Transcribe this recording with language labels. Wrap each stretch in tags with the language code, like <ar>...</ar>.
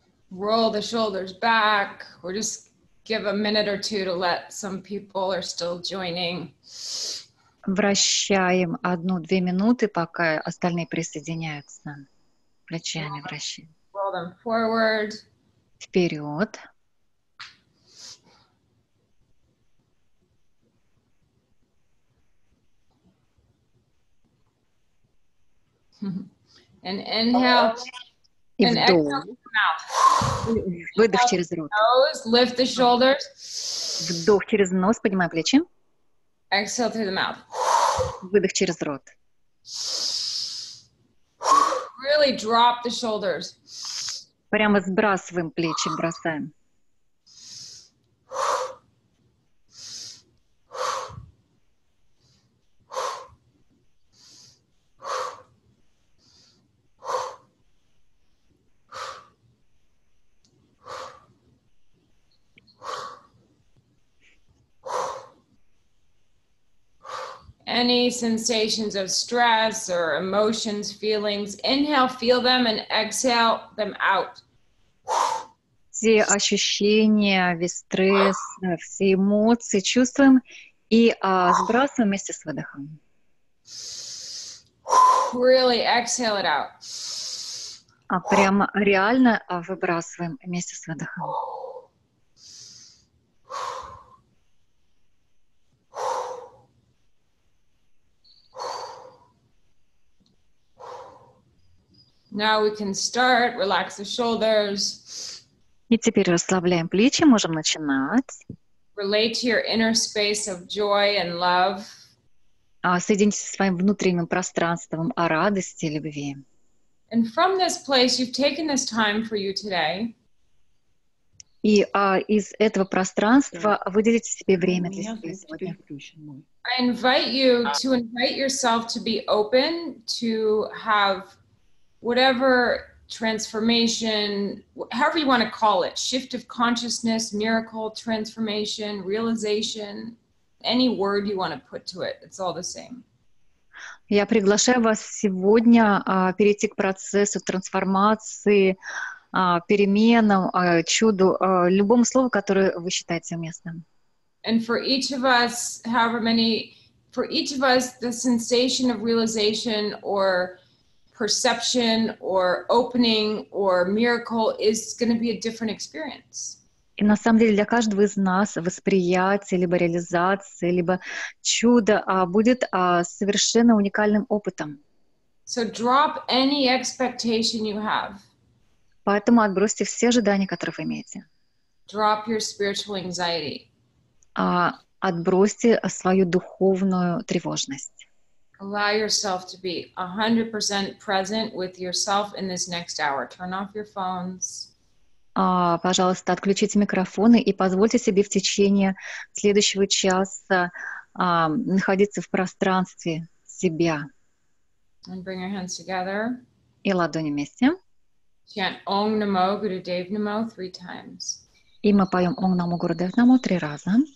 <en>Roll the shoulders back. We'll just give a minute or two to let some people are still joining.</en> <ru>Вращаем 1-2 минуты, пока остальные присоединяются. Плечами вращаем.</ru> <en>Roll them forward.</en> <ru>Вперед.</ru> <en>And inhale.</en> <ru>И вдох. Выдох через рот.</ru> <en>Lift the shoulders.</en> <ru>Вдох через нос, поднимаем плечи.</ru> <en>Exhale through the mouth.</en> <ru>Выдох через рот.</ru> <en>Really drop the shoulders.</en> <ru>Прямо сбрасываем плечи, бросаем.</ru> <en>Any sensations of stress or emotions, feelings, inhale, feel them and exhale them out.</en> <ru>Все ощущения, весь стресс, все эмоции чувствуем и сбрасываем вместе с выдохом.</ru> <en>Really exhale it out.</en> <ru>Прямо реально выбрасываем вместе с выдохом.</ru> <en>Now we can start, relax the shoulders.</en> <ru>И теперь расслабляем плечи, можем начинать.</ru> <en>Relate to your inner space of joy and love.</en> <ru>Соединитесь со своим внутренним пространством о радости и любви.</ru> <en>And from this place, you've taken this time for you today.</en> <ru>И из этого пространства выделите себе время для себя сегодня.</ru> <en>I invite you to invite yourself to be open to have whatever transformation, however you want to call it, shift of consciousness, miracle, transformation, realization, any word you want to put to it, it's all the same.</en> <ru>Я приглашаю вас сегодня перейти к процессу трансформации, переменам, чуду, любому слову, которое вы считаете уместным.</ru> <en>And for each of us, however many, for each of us, the sensation of realization or perception or opening or miracle is going to be a different experience.</en> <ru>И на самом деле для каждого из нас восприятие либо реализация либо чудо будет совершенно уникальным опытом.</ru> <en>So drop any expectation you have.</en> <ru>Поэтому отбросьте все ожидания, которые вы имеете.</ru> <en>Drop your spiritual anxiety.</en> <ru>Отбросьте свою духовную тревожность.</ru> <en>Allow yourself to be 100% present with yourself in this next hour. Turn off your phones.</en> <ru>Пожалуйста, отключите микрофоны и позвольте себе в течение следующего часа находиться в пространстве с себя.</ru> <en>And bring your hands together.</en> <ru>И ладони вместе.</ru> <en>Chant Om Namo Gurudev Namo three times.</en> <ru>И мы поем Om Namo Gurudev Namo три раза.</ru>